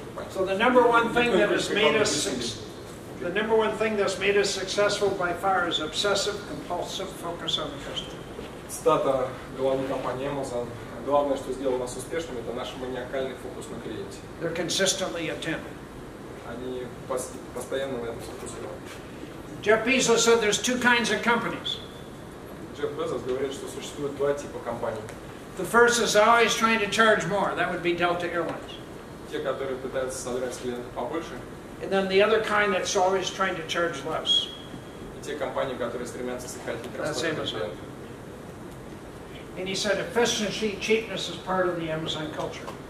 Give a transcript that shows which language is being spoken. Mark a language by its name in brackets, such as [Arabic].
[English] So the number one thing that has made us successful by far is obsessive compulsive focus on the customer. [Russian] Цитата главной компании Amazon. Главное, что сделало нас успешными, это наш маниакальный фокус на клиенте. [English] They're consistently attentive. [Russian] Они постоянно на этом фокусированы. [English] Jeff Bezos said there's two kinds of companies. [Russian] Jeff Bezos говорит, что существует два типа компаний. [English] The first is always trying to charge more. That would be Delta Airlines. [Russian] Те, которые пытаются содрать с клиентов побольше. [English] And then the other kind that's always trying to charge less. [Russian] И те компании, которые стремятся сократить расходы на клиентов. [English] And he said efficiency, cheapness is part of the Amazon culture.